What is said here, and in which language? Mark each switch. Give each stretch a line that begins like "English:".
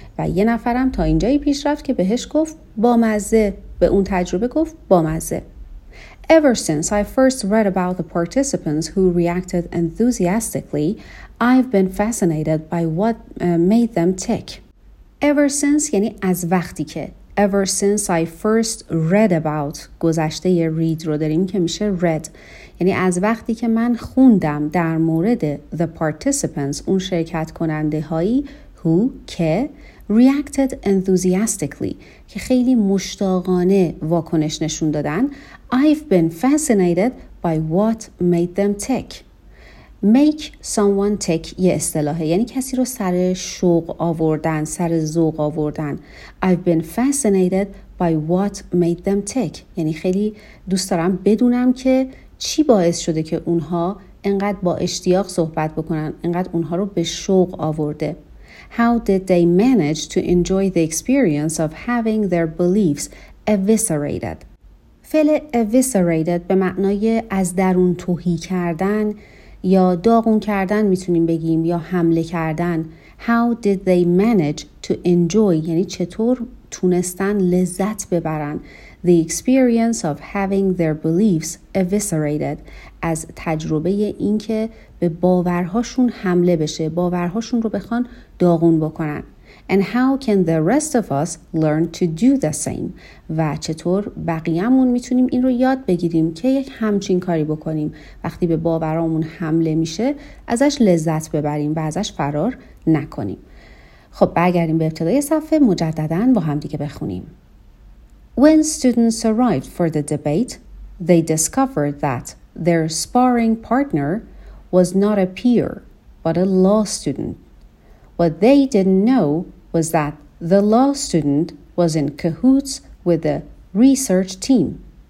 Persian: و یه نفرم تا اینجایی پیش رفت که بهش گفت بامزه, به اون تجربه گفت بامزه.
English: Ever since I first read about the participants who reacted enthusiastically, I've been fascinated by what made them tick.
Persian: Ever since یعنی از وقتی که.
English: Ever since I first read about,
Persian: گذشته یه read رو داریم که میشه read, یعنی از وقتی که من خوندم در مورد
English: the participants,
Persian: اون شرکت کننده هایی who, که
English: reacted enthusiastically,
Persian: که خیلی مشتاقانه واکنش نشون دادن.
English: I've been fascinated by what made them tick. Make someone tick
Persian: یه اصطلاحه, یعنی کسی رو سر شوق آوردن, سر ذوق آوردن.
English: I've been fascinated by what made them tick,
Persian: یعنی خیلی دوست دارم بدونم که چی باعث شده که اونها انقدر با اشتیاق صحبت بکنن, انقدر اونها رو به شوق آورده.
English: How did they manage to enjoy the experience of having their beliefs eviscerated?
Persian: فعل eviscerated به معنای از درون تهی کردن یا داغون کردن میتونیم بگیم یا حمله کردن.
English: How did they manage to enjoy
Persian: یعنی چطور تونستن لذت ببرن
English: the experience of having their beliefs eviscerated
Persian: از تجربه این که به باورهاشون حمله بشه باورهاشون رو بخوان داغون بکنن
English: and how can the rest of us learn to do the same
Persian: و چطور بقیه‌مون میتونیم این رو یاد بگیریم که یک همچین کاری بکنیم وقتی به باورامون حمله میشه ازش لذت ببریم و ازش فرار نکنیم خب برگردیم به ابتدای صفحه مجدداً با هم دیگه بخونیم.
English: When students arrived for the debate, they discovered that their sparring partner was not a peer, but a law student. What they didn't know was that the law student was in cahoots with the research team.